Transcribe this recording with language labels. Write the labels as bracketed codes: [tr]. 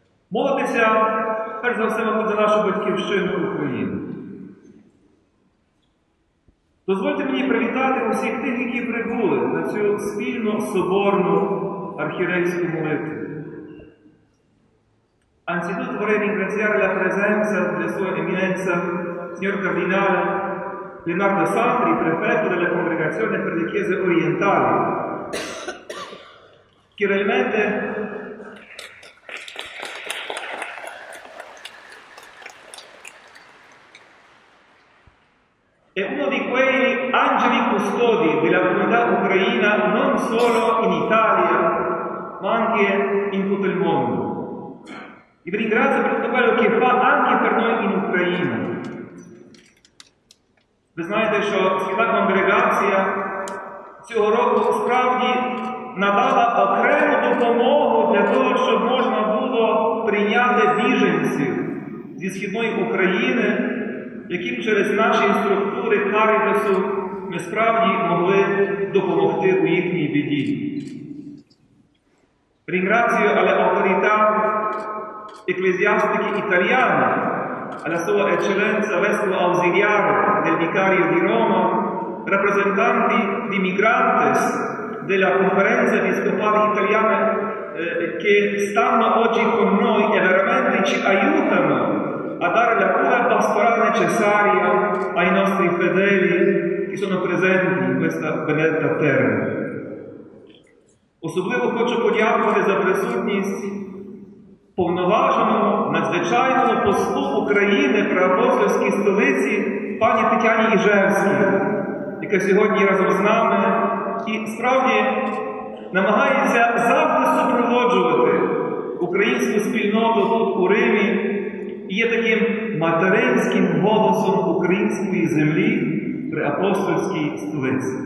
[uk] Молитеся, перш за все, за нашу батьківщину Україну. Дозвольте мені привітати усіх тих, які прибули на цю спільну соборну архірейську молитву. [it] Anzitutto vorrei ringraziare la presenza della sua eminenza, signor Cardinale Leonardo Sandri, prefetto della Congregazione per le Chiese Orientali, che realmente è uno di quei angeli custodi della comunità ucraina non solo in Italia, ma anche in tutto il mondo. E vi ringrazio per tutto quello che fa anche per noi in Ucraina. [uk] Ви знаєте, що Святка Конгрегація цього року справді надала окрему допомогу для того, щоб можна було прийняти біженців зі Східної України, яким через наші структури Карітасу ми справді могли допомогти у їхній біді. [it] Ringrazio alle autorità ecclesiastiche italiane, alla sua eccellenza vescovo ausiliare del vicario di Roma, rappresentanti di Migrantes, della conferenza episcopale italiana che stanno oggi con noi e veramente ci aiutano a dare la cura pastorale necessaria ai nostri fedeli che sono presenti in questa benedetta terra. [uk] Особливо хочу подякувати за присутність повноваженому, надзвичайному послу України Преапостольській столиці пані Тетяні Іжевській, яка сьогодні разом з нами і справді намагається завжди супроводжувати українську спільноту тут, у Римі, і є таким материнським голосом української землі Преапостольській столиці.